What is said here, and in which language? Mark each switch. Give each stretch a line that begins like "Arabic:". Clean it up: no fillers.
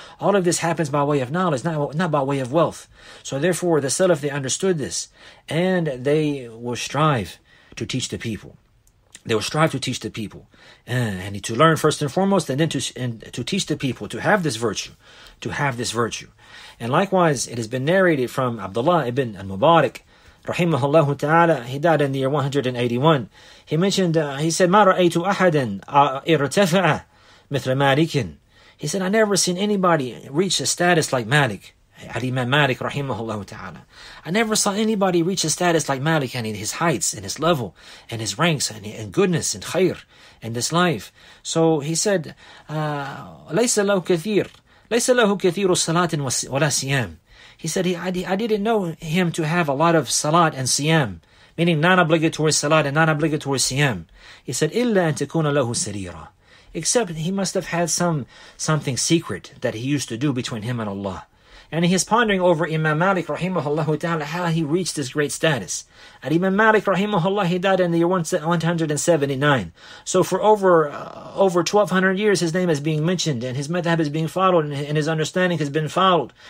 English: All of this happens by way of knowledge, not by way of wealth. So therefore, the Salaf, they understood this, and they will strive to teach the people. They will strive to teach the people, and to learn first and foremost, and then to teach the people to have this virtue, to have this virtue. And likewise, it has been narrated from Abdullah ibn al-Mubarak, rahimahullah ta'ala. He died in the year 181. He mentioned, he said,
Arabic: مَا رَأَيْتُ أَحَدًا إِرْتَفَعَ مِثْلَ مَالِكٍ.
English: He said, I never seen anybody reach a status like Malik, Al-Imam Malik, rahimahullah ta'ala. I never saw anybody reach a status like Malik, and in his heights, and his level, and his ranks, and goodness, and khair, and this life. So he said,
Arabic: لَيْسَ لَهُ كَثِيرٌ لَيْسَ لَهُ كَثِيرُ صَلَاتٍ وَلَا سِيَامٍ.
English: He said, I didn't know him to have a lot of salat and siyam, meaning non-obligatory salat and non-obligatory siyam. He said,
Arabic: إِلَّا أَن تَكُونَ لَهُ سَرِيرًا.
English: Except he must have had something secret that he used to do between him and Allah. And he is pondering over Imam Malik, rahimahullah ta'ala, how he reached this great status. And Imam Malik, rahimahullah, he died in the year 179. So for over 1200 years, his name is being mentioned, and his madhab is being followed, and his understanding has been followed.